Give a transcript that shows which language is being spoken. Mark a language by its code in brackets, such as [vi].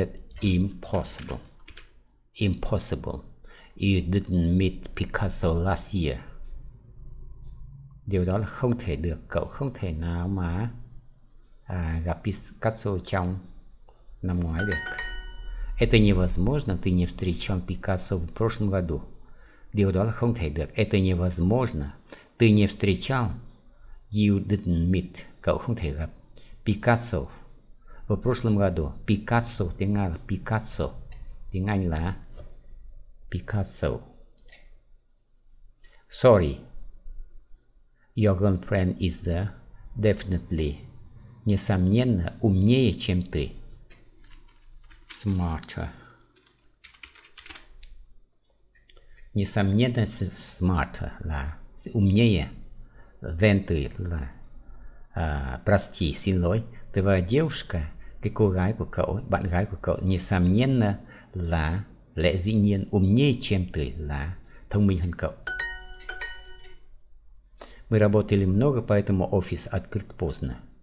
[en] That's impossible. You didn't meet Picasso last year. You didn't meet Picasso last year. [vi] Điều đó là không thể được. Cậu không thể nào mà gặp Picasso trong năm ngoái được. [ru] Это невозможно. Ты не встречал Picasso в прошлом году. Điều đó là không thể được. Это невозможно. Ты не встречал. [en] You didn't meet. [vi] Cậu không thể gặp Picasso. [ru] В прошлом году. [vi] Picasso. Tiếng Anh là Picasso. Tiếng Anh là Picasso. [en] Sorry. Your girlfriend is definitely. [ru] Несомненно, умнее, чем ты. [en] Smarter. [ru] Несомненно, [en] smarter [vi] là [ru] умнее, [en] than [ru] ты [vi] là, [ru] прости, [vi] xin lỗi, [ru] твоя девушка, [vi] cái cô gái của cậu, bạn gái của cậu, [ru] несомненно [vi] là lẽ dĩ nhiên, [ru] умнее, чем ты [vi] là thông minh hơn cậu. [ru] Мы работали много, поэтому офис открыт поздно.